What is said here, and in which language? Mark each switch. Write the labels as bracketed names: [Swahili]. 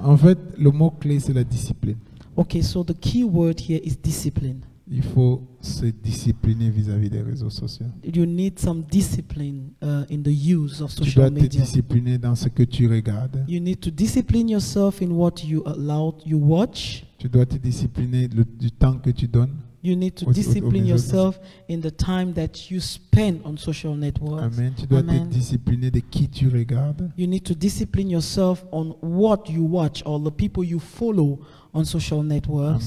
[French] En fait, le mot clé c'est la discipline. [English] Okay, so the key word here is discipline. [French] Il faut se discipliner vis-à-vis des réseaux sociaux. [English] You need some discipline in the use of social [French] media. Tu dois [English] media. [French] Te discipliner dans ce que tu regardes. [English] You need to discipline yourself in what you allow you watch. [French] Tu dois te discipliner du temps que tu donnes. [English] You need to discipline yourself in the time that you spend on social networks. Amen. [French] Tu dois être discipliné de qui tu regardes. [English] You need to discipline yourself on what you watch or the people you follow on social networks.